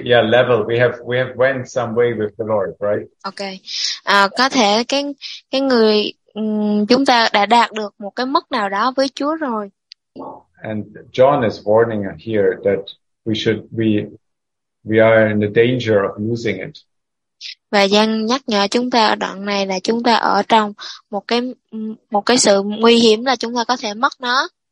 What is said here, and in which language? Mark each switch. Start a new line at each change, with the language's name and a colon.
English: We have went some way with the Lord, right? Okay.
Vietnamese: Có thể cái người chúng ta đã đạt được một cái mức nào đó với Chúa rồi.
English: And John is warning here that we are in the danger of losing it.
Vietnamese: Và Giăng nhắc nhở chúng ta ở đoạn này là chúng ta ở trong một cái sự nguy hiểm là chúng ta có thể mất nó.